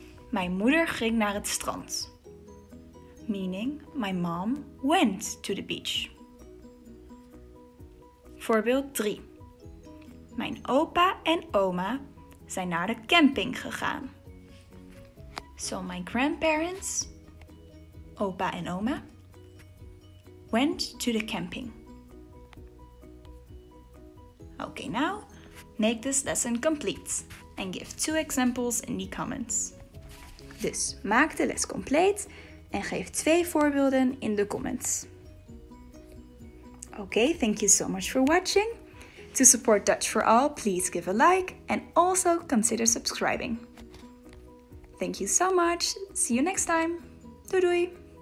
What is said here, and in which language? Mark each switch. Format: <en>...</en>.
<nl>Mijn moeder ging naar het strand.</nl> <en>Meaning my mom went to the beach.</en> <nl>Voorbeeld 3. Mijn opa en oma zijn naar de camping gegaan.</nl> <en>So my grandparents,</en> <nl>opa en oma,</nl> <en>went to the camping. Okay, now make this lesson complete and give 2 examples in the comments.</en> <nl>Dus maak de les compleet en geef 2 voorbeelden in de comments.</nl> <en>Okay, thank you so much for watching. To support Dutch for All, please give a like and also consider subscribing. Thank you so much. See you next time.</en> <nl>Doei doei.</nl>